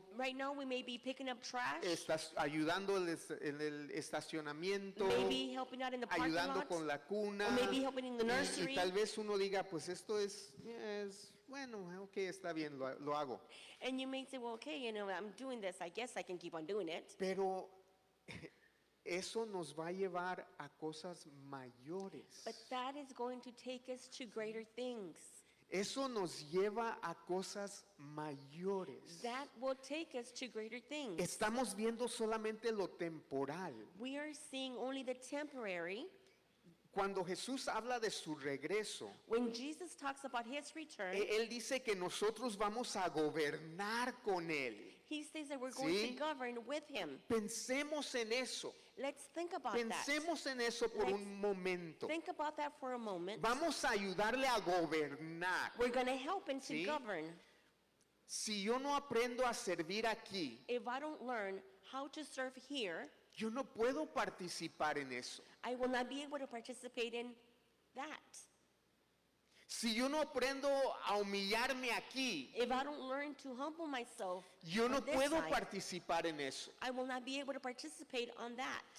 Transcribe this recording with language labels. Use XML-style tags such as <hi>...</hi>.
<en>Right now we may be picking up trash.</en> <es>Ayudándoles en el estacionamiento.</es> <en>Maybe helping out in the parking lot.</en> <es>Ayudando con la cuna.</es> <en>Or maybe helping in the nursery.</en> <es>Y tal vez uno diga, pues esto es bueno, okay, está bien, lo hago.</es> <en>And you may say, well, okay, you know, I'm doing this. I guess I can keep on doing it.</en> <es>Pero eso nos va a llevar a cosas mayores.</es> <en>But that is going to take us to greater things.</en> <es>Eso nos lleva a cosas mayores.</es> <en>That will take us to greater things.</en> <es>Estamos viendo solamente lo temporal.</es> <en>We are seeing only the temporary.</en> <es>Cuando Jesús habla de su regreso,</es> <en>when Jesus talks about his return,</en> <es>él dice que nosotros vamos a gobernar con él.</es> <en>He says that we're going,</en> <es>¿sí?,</es> <en>to govern with him.</en> <es>Pensemos en eso.</es> <en>Let's think about</en> <es>Pensemos</es> <en>that.</en> <es>En eso por</es> <en>Let's</en> <es>un momento.</es> <en>Think about that for a moment.</en> <es>Vamos a ayudarle a gobernar.</es> <en>We're going to help him, ¿sí?, to govern.</en> <es>Si yo no aprendo a servir aquí,</es> <en>if I don't learn how to serve here,</en> <es>yo no puedo participar en eso.</es> <en>I will not be able to participate in that.</en> <es>Si yo no aprendo a humillarme aquí,</es> <en>if I don't learn to humble myself,</en> <es>yo no puedo</es> <en>side,</en> <es>participar en eso.</es> <en>I will not be able to participate on that.</en>